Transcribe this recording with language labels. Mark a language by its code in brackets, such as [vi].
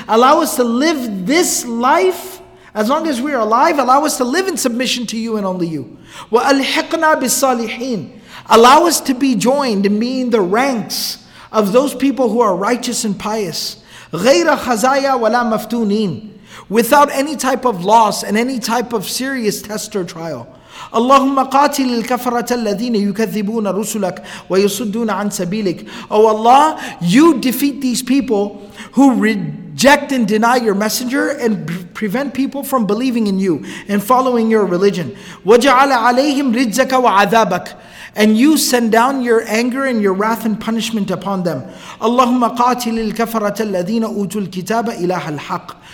[en] Allow us to live this life, as long as we are alive, allow us to live in submission to you and only you. [ar] وَأَلْحِقْنَا بِالصَّالِحِينَ. [en] Allow us to be joined and be in the ranks of those people who are righteous and pious. [ar] غَيْرَ خَزَايَا وَلَا مَفْتُونِينَ. [en] Without any type of loss and any type of serious test or trial. [ar] اللهم قاتل الكفرة الذين يكذبون رسلك ويصدون عن سبيلك. [en] O Allah, you defeat these people who reject and deny your messenger and prevent people from believing in you and following your religion. [ar] وجعل عليهم رجزك وعذابك. [en] And you send down your anger and your wrath and punishment upon them. [ar] اللهم قاتل الكفرة الذين أوتوا الكتاب إلى الحق.